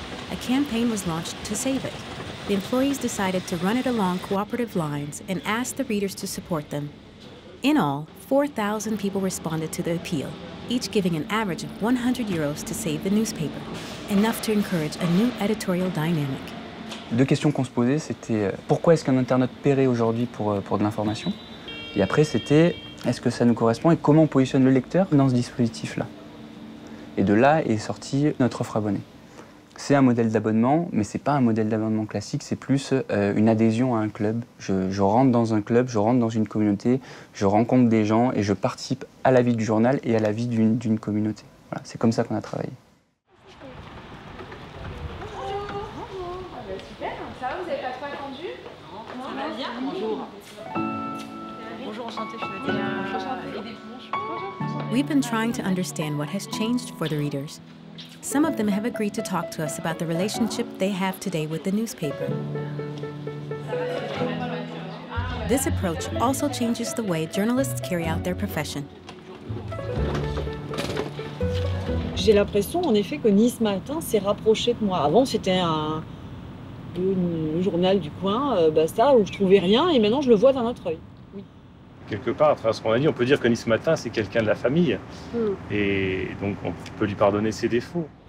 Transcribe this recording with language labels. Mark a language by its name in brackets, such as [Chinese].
[English] A campaign was launched to save it. The employees decided to run it along cooperative lines and asked the readers to support them. In all, 4,000 people responded to the appeal, each giving an average of 100 euros to save the newspaper, enough to encourage a new editorial dynamic. [French] Deux questions qu'on se posait, c'était pourquoi est-ce qu'un internaute paierait aujourd'hui pour de l'information? Et après, c'était est-ce que ça nous correspond et comment on positionne le lecteur dans ce dispositif-là? Et de là est sorti notre offre abonnée. C'est un modèle d'abonnement, mais c'est pas un modèle d'abonnement classique, c'est plus une adhésion à un club. Je rentre dans un club, je rentre dans une communauté, je rencontre des gens et je participe à la vie du journal et à la vie d'une communauté. Voilà, c'est comme ça qu'on a travaillé. Bonjour. Bonjour. Ah ben super, ça va, vous n'avez pas trop attendu? Ça va bien, bonjour. Bonjour, enchantée. [English] We've been trying to understand what has changed for the readers. Some of them have agreed to talk to us about the relationship they have today with the newspaper. This approach also changes the way journalists carry out their profession. [French] J'ai l'impression, en effet, que Nice Matin s'est rapproché de moi. Avant, c'était un journal du coin, basta, où je trouvais rien, et maintenant, je le vois d'un autre œil. Quelque part, à travers ce qu'on a dit, on peut dire que Nice Matin, c'est quelqu'un de la famille. Et donc, on peut lui pardonner ses défauts.